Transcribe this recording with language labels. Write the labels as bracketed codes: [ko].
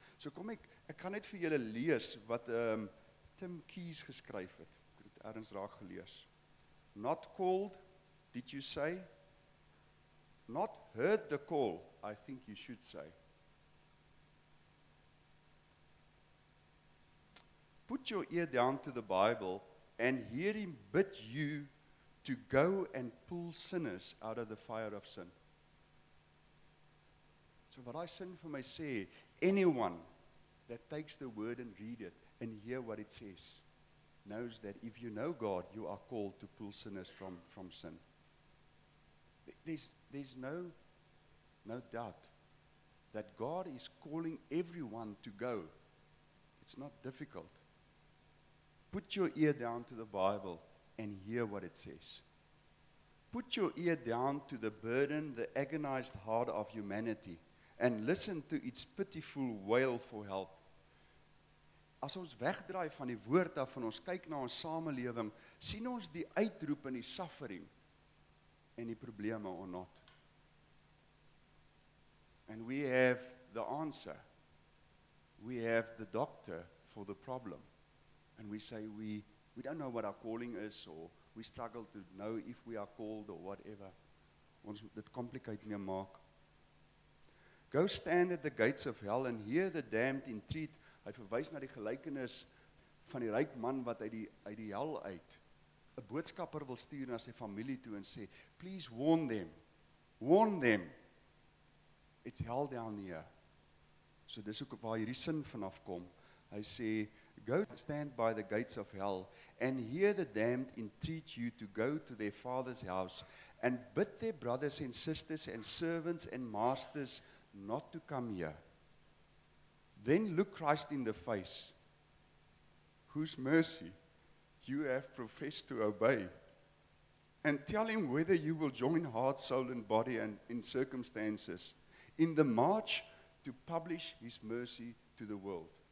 [af] So kom ek kan net vir julle lees wat Tim Keys geskryf het. Ek het ergens raak gelees. [en] Not called, did you say? Not heard the call, I think you should say. put your ear down to the Bible and hear him bid you to go and pull sinners out of the fire of sin. So what I sin for my say, anyone that takes the word and read it and hear what it says, knows that if you know God, you are called to pull sinners from sin. There's no doubt that God is calling everyone to go. It's not difficult. Put your ear down to the Bible and hear what it says. Put your ear down to the burden, the agonized heart of humanity, and listen to its pitiful wail for help. [af] As ons wegdraai van die woord af en ons kyk na ons samelewing, sien ons die uitroep en die suffering en die probleme [en] or not. And we have the answer. We have the doctor for the problem. And we say we don't know what our calling is, or we struggle to know if we are called or whatever. [af] Ons dit complicate nie maak. [en] Go stand at the gates of hell and hear the damned entreat. [af] Hy verwys na die gelykenis van die ryk man wat uit die hel uit 'n boodskapper wil stuur na sy familie toe en sê, [en] "Please warn them. Warn them. It's hell down here." [af] So dis ook waar hierdie sin vanaf kom. Hy sê, [en] "Go stand by the gates of hell and hear the damned entreat you to go to their father's house and bid their brothers and sisters and servants and masters not to come here. Then look Christ in the face, whose mercy you have professed to obey, and tell him whether you will join heart, soul, and body and in circumstances in the march to publish his mercy to the world."